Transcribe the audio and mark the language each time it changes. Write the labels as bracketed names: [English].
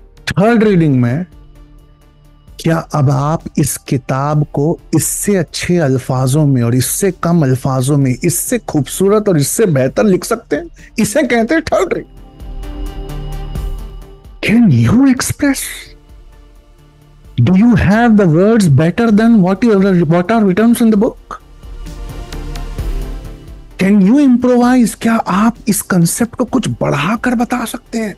[Hindi] Third reading में क्या अब आप इस किताब को इससे अच्छे अल्फाजों में और इससे कम अल्फाजों में, इससे खूबसूरत और इससे बेहतर लिख सकते हैं, इसे कहते हैं third reading. [English] Can you express? Do you have the words better than what are written in the book? Can you improvise? [Hindi] क्या आप इस concept को कुछ बढ़ा कर बता सकते हैं?